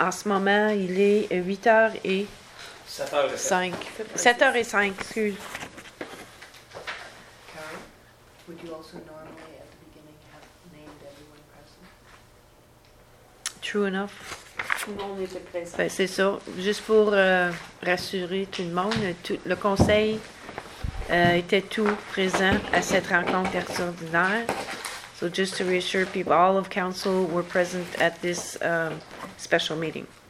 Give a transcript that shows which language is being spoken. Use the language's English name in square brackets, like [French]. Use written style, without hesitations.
[French] En ce moment, il est 8h et 7h05. 7h05, excuse. [English] Carrie, would you also normally at the beginning have named everyone present? True enough. [French] Tout le monde était présent. Ben, c'est ça. Juste pour rassurer tout le monde, le conseil était tout présent à cette rencontre extraordinaire. [English] So just to reassure people, all of council were present at this special meeting.